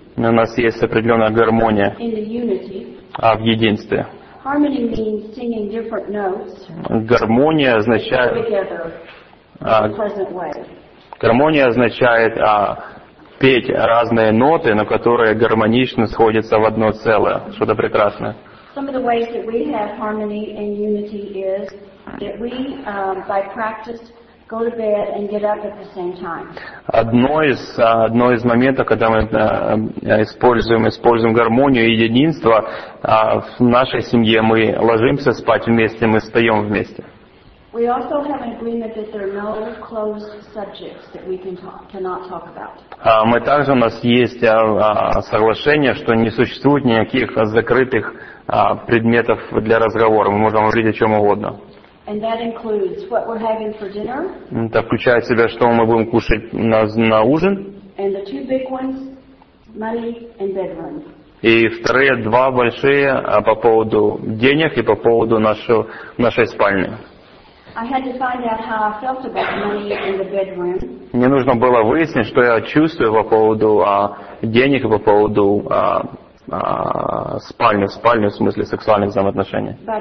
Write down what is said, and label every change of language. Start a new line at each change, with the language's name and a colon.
Russian: У нас есть определенная гармония в единстве. Гармония означает петь разные ноты, но которые гармонично сходятся в одно целое. Что-то прекрасное.
English: Some of the ways that we have harmony and unity is that we by practice go to bed and get up at the same time.
Russian: Одно из моментов, когда мы используем гармонию и единство, в нашей семье мы ложимся спать вместе, мы встаем вместе.
English: We also have an agreement that there are no closed subjects that we cannot talk about.
Russian: Мы также у нас есть соглашение, что не существует никаких закрытых предметов для разговора. Мы можем говорить о чем угодно.
English: And that includes what we're having for dinner.
Russian: Это включает в себя, что мы будем кушать на ужин.
English: And the two big ones, money and bedroom.
Russian: И вторые два большие по поводу денег и по поводу нашей спальни.
English: I had to find out how I felt about money in the bedroom.
Russian: Мне нужно было выяснить, что я чувствую по поводу денег и по поводу спальню, в смысле сексуальных взаимоотношений.